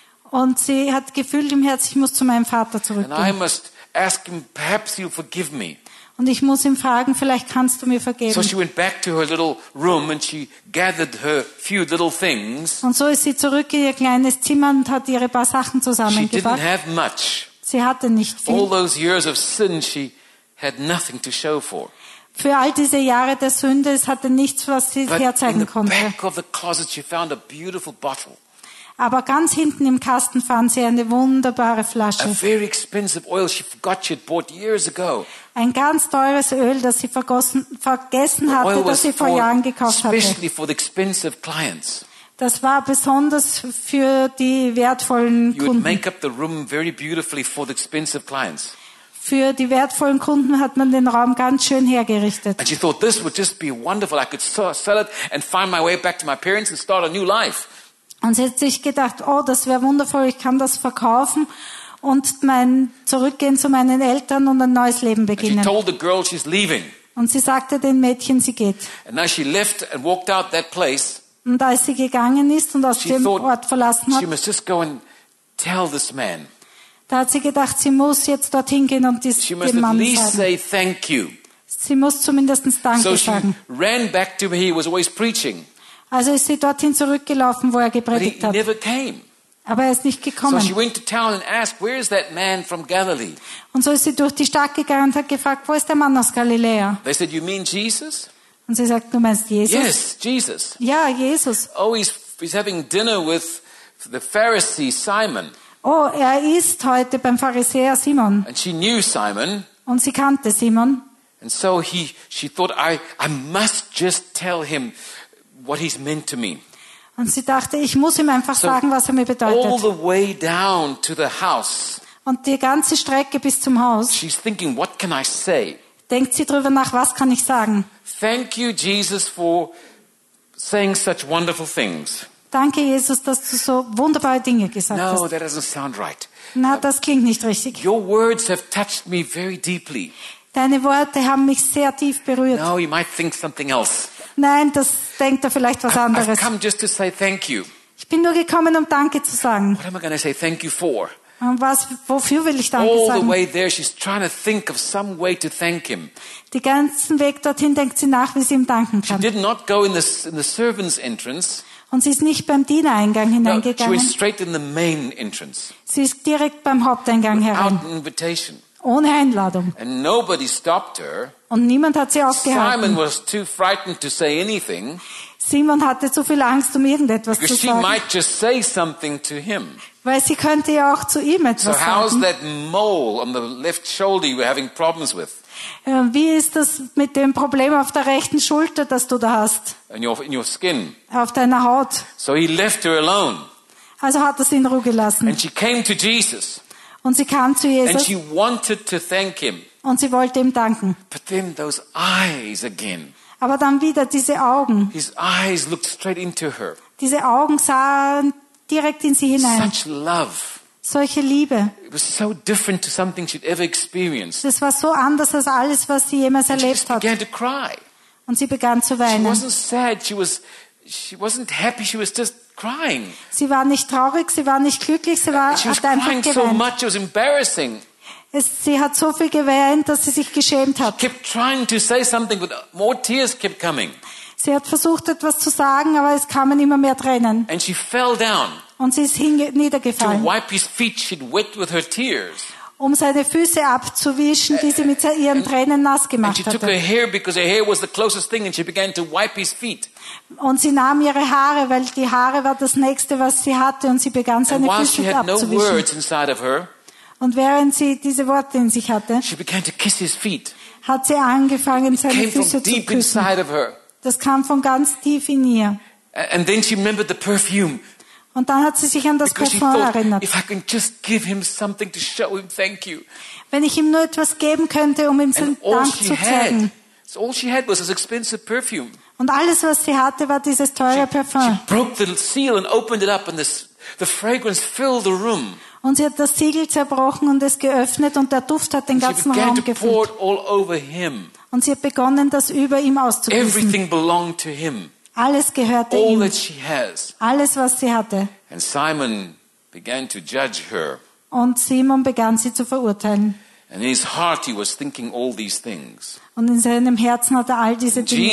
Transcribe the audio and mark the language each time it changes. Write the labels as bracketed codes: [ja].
[de] Und sie hat gefühlt im Herzen, ich muss zu meinem Vater zurückgehen. [en] And I must ask him, perhaps he'll forgive me. [de] Und ich muss ihn fragen, vielleicht kannst du mir vergeben. [en] So she went back to her little room and she gathered her few little things. [de] Und so ist sie zurück in ihr kleines Zimmer und hat ihre paar Sachen zusammengebracht. [en] She didn't have much. [de] Sie hatte nicht viel. [en] All those years of sin, she had nothing to show for. [de] Für all diese Jahre der Sünde, es hatte nichts, was sie herzeigen konnte. [en] But in the back of the closet she found a beautiful bottle. [de] Aber ganz hinten im Kasten fand sie eine wunderbare Flasche. [en] A very expensive oil she forgot she had bought years ago. [de] Ein ganz teures Öl, das sie vergessen hatte, das sie vor Jahren gekauft hatte. [en] Especially for the expensive clients. [de] Das war besonders für die wertvollen Kunden. [en] You would make up the room very beautifully for the expensive clients. [de] Für die wertvollen Kunden hat man den Raum ganz schön hergerichtet. [en] And she thought this would just be wonderful. I could sell it and find my way back to my parents and start a new life. [de] Und sie hat sich gedacht, oh, das wäre wundervoll. Ich kann das verkaufen und zurückgehen zu meinen Eltern und ein neues Leben beginnen. [en] And she told the girl she's leaving. [de] Und sie sagte den Mädchen, sie geht. [en] And as she left and walked out that place. [de] Und als sie gegangen ist und aus dem Ort verlassen hat. [en] She must just go and tell this man. [de] Da hat sie gedacht, sie muss jetzt dorthin gehen und diesem Mann sagen. Sie muss zumindest Danke sagen. [en] Ran back to where he was always preaching. [de] Also ist sie dorthin zurückgelaufen, wo er gepredigt hat. [en] Never came. [de] Aber er ist nicht gekommen. [en] So she went to town and asked, where is that man from Galilee? [de] Und so ist sie durch die Stadt gegangen und hat gefragt, wo ist der Mann aus Galiläa? [en] They said, you mean Jesus? [de] Und sie sagt, du meinst Jesus? [en] Yes, Jesus. [de] Ja, Jesus. [en] Oh, he's having dinner with the Pharisee Simon. [de] Oh, er ist heute beim Pharisäer Simon. [en] And she knew Simon. [de] Und sie kannte Simon. [en] And so she thought, I must just tell him what he's meant to me. [de] Und sie dachte, ich muss ihm einfach sagen, was er mir bedeutet. [en] All the way down to the house. [de] Und die ganze Strecke bis zum Haus. [en] She's thinking, what can I say? [de] Denkt sie drüber nach, was kann ich sagen? [en] Thank you, Jesus, for saying such wonderful things. [de] Danke, Jesus, dass du so wunderbare Dinge gesagt hast. [en] No, that doesn't sound right. [de] Na, das klingt nicht richtig. [en] Your words have touched me very deeply. [de] Deine Worte haben mich sehr tief berührt. [en] No, you might think something else. [de] Nein, das denkt er vielleicht was anderes. [en] I've come just to say thank you. [de] Ich bin nur gekommen, um Danke zu sagen. [en] What am I going to say thank you for? [de] Wofür will ich Danke [en] All [de] sagen? [en] The way there, she's trying to think of some way to thank him. [de] Den ganzen Weg dorthin denkt sie nach, wie sie ihm danken kann. [en] She did not go in the servant's entrance. [de] Und sie ist nicht beim Dienereingang hineingegangen. [en] No, she went straight in the main entrance. [de] Sie ist direkt beim Haupteingang herein. [en] Without invitation. [de] Ohne Einladung. [en] And nobody stopped her. [de] Und niemand hat sie aufgehalten. [en] Simon was too frightened to say anything. [de] Simon hatte zu viel Angst, um irgendetwas [en] Because [de] zu sagen. [en] She might just say something to him. [de] Weil sie könnte ja auch zu ihm etwas sagen. [en] So how's that mole on the left shoulder you were having problems with? [de] Wie ist das mit dem Problem auf der rechten Schulter, das du da hast? [en] In your skin. [de] Auf deiner Haut. [en] So he left her alone. [de] Also hat er sie in Ruhe gelassen. [en] And she came to Jesus. [de] Und sie kam zu Jesus. [en] And she wanted to thank him. [de] Und sie wollte ihm danken. [en] But then those eyes again. [de] Aber dann wieder diese Augen. [en] His eyes looked straight into her. [de] Diese Augen sahen direkt in sie hinein. [en] Such love. [de] Solche Liebe. [en] It was so different to something she'd ever experienced. [de] Das war so anders als alles, was sie jemals erlebt hat. [en] She began to cry. [de] Und sie begann zu weinen. [en] She wasn't sad. She wasn't happy. She was just crying. [de] Sie war nicht traurig. Sie war nicht glücklich. Sie war einfach geweint. [en] She was crying so much. It was embarrassing. [de] Sie hat so viel geweint, dass sie sich geschämt hat. [en] She kept trying to say something, but more tears kept coming. [de] Sie hat versucht, etwas zu sagen, aber es kamen immer mehr Tränen. [en] And she fell down. [de] Und sie ist niedergefallen. [en] To wipe his feet, she'd wet with her tears. [de] um seine Füße abzuwischen, die sie mit ihren Tränen nass gemacht hatte. [en] And she took her hair because her hair was the closest thing and she began to wipe his feet. [de] Und sie nahm ihre Haare, weil die Haare war das nächste, was sie hatte, und sie begann seine Füße abzuwischen. [en] And while she had no words inside of her, [de] und während sie diese Worte in sich hatte, [en] she began to kiss his feet. [de] Hat sie angefangen, seine Füße zu küssen. Das kam von ganz tief in ihr. [en] And then she remembered the perfume. [de] Und dann hat sie sich an das Parfum erinnert. [en] If I can just give him something to show him thank you. [de] Wenn ich ihm nur etwas geben könnte, um ihm seinen Dank zu zeigen. [en] So all she had was this expensive perfume. [de] Und alles, was sie hatte, war dieses teure Parfum. [en] She broke the seal and opened it up, and the fragrance filled the room. [de] Und sie hat das Siegel zerbrochen und es geöffnet und der Duft hat den ganzen Raum gefüllt. Und sie hat begonnen, das über ihm auszugießen. [en] Everything belonged to him. [de] Alles gehörte [en] all [de] ihm. [en] That she has. [de] Alles, was sie hatte. [en] And Simon began to judge her. [de] Und Simon begann, sie zu verurteilen. [en] And in his heart he was thinking all these things. [de] Und in seinem Herzen hat all diese Dinge